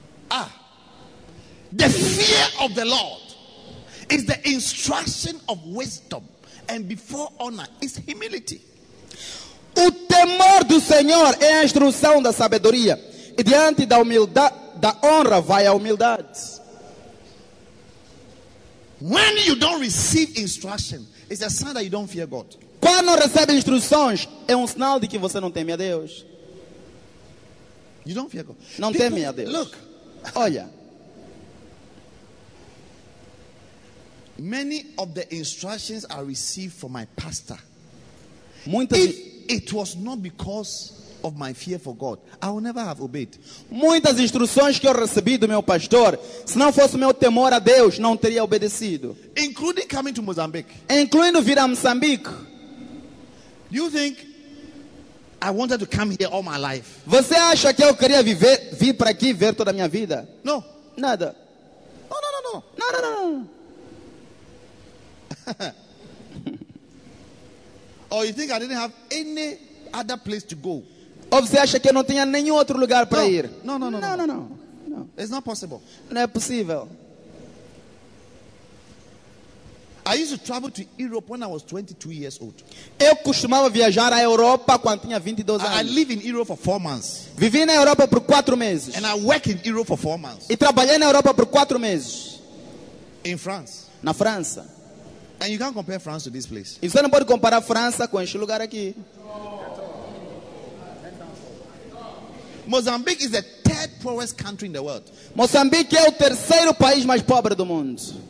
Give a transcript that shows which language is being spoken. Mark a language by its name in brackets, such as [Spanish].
[English] Ah, the fear of the Lord is the instruction of wisdom, and before honor is humility. [Portuguese] O temor do Senhor é a instrução da sabedoria, e diante da humildade, da honra vai a humildade. [English] When you don't receive instruction, it's a sign that you don't fear God. [Portuguese] Quando não recebe instruções, é um sinal de que você não teme a Deus. [English] You don't fear God. [Portuguese] Não teme a Deus. [English] Look. [Portuguese] Olha. [English] Many of the instructions I received from my pastor. [Portuguese] Muitas [English] if it was not because of my fear for God, I would never have obeyed. [Portuguese] Muitas instruções que eu recebi do meu pastor, se não fosse meu temor a Deus, não teria obedecido. [English] Including coming to Mozambique. [Portuguese] Incluindo vir a Moçambique. [English] Do you think I wanted to come here all my life? [Portuguese] Você acha que eu queria viver, vir para aqui ver toda a minha vida? [English] No. [Portuguese] Nada. [English] No. Or you think I didn't have any other place to go? [Portuguese] Ou você acha que eu não tinha nenhum outro lugar para ir? [English] No. It's not possible. [Portuguese] Não é possível. [English] I used to travel to Europe when I was 22 years old. [Portuguese] Eu costumava viajar à Europa quando tinha 22 anos. [English] I lived in Europe for 4 months. [Portuguese] Vivi na Europa por 4 meses. [English] And I worked in Europe for 4 months. [Portuguese] E trabalhei na Europa por 4 meses. [English] In France. [Portuguese] Na França. [English] And you can't compare France to this place. [Portuguese] E você não pode comparar França com este lugar aqui. [English] Mozambique is the third poorest country in the world. [Portuguese] Moçambique é o terceiro país mais pobre do mundo.